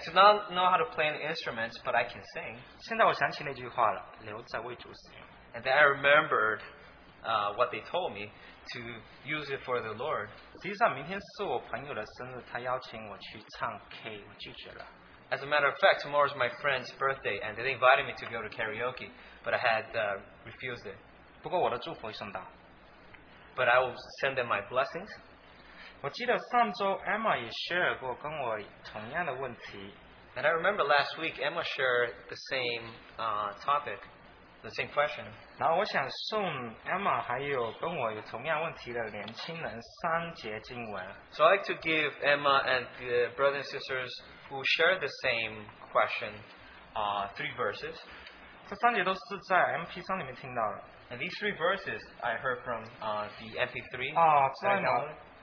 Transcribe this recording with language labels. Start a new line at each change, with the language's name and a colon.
English: do not know how to play an instrument, but I can sing.
Chinese: 现在我想起那句话了，留在为主使用。
English: And then I remembered what they told me. To use it for the Lord.
Chinese: 实际上明天是我朋友的生日，他邀请我去唱K， 我拒绝了。As
English: a matter of fact, tomorrow is my friend's birthday, and they invited me to go to karaoke, but I had refused it.
Chinese: 不过我的祝福会送到。But
English: I will send them my blessings.
Chinese: 我记得上周 Emma 也share过跟我同样的问题。And
English: I remember last week Emma shared the same topic. The same question.
Chinese: 然后我想送 Emma 还有跟我有同样问题的年轻人三节经文。
English: So I'd like to give Emma and the brothers and sisters who share the same question, three verses.
Chinese: 这三节都是在 MP3里面听到的。
English: And these three verses I heard from the MP3.